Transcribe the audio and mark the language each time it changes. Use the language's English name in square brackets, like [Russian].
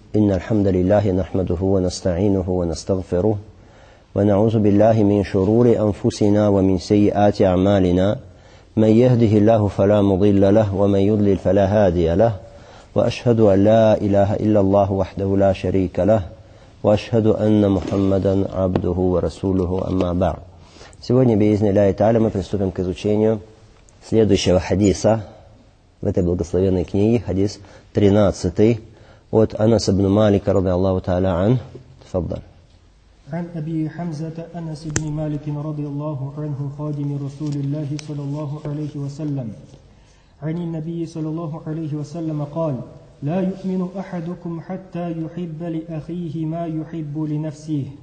[Arabic] إن الحمد لله نحمده ونستعينه ونستغفره ونعوذ بالله من شرور أنفسنا ومن سيئات أعمالنا، من يهده الله فلا مضل له ومن يضلل فلا هادي له، وأشهد أن لا إله إلا الله وحده لا شريك له، وأشهد أن محمدا عبده ورسوله، أما بعد. [Russian] Сегодня, [Arabic] بإذن الله تعالى, [Russian] мы приступим к изучению следующего хадиса в этой благословенной книге, хадис 13 от Анас ибн Малика, [Arabic] رضي الله تعالى عنه. تفضل. عن أبي حمزة أنس بن مالك رضي الله عنه خادم رسول الله صلى الله عليه وسلم عن النبي صلى الله عليه وسلم قال لا يؤمن أحدكم حتى يحب لأخيه ما يحب لنفسه.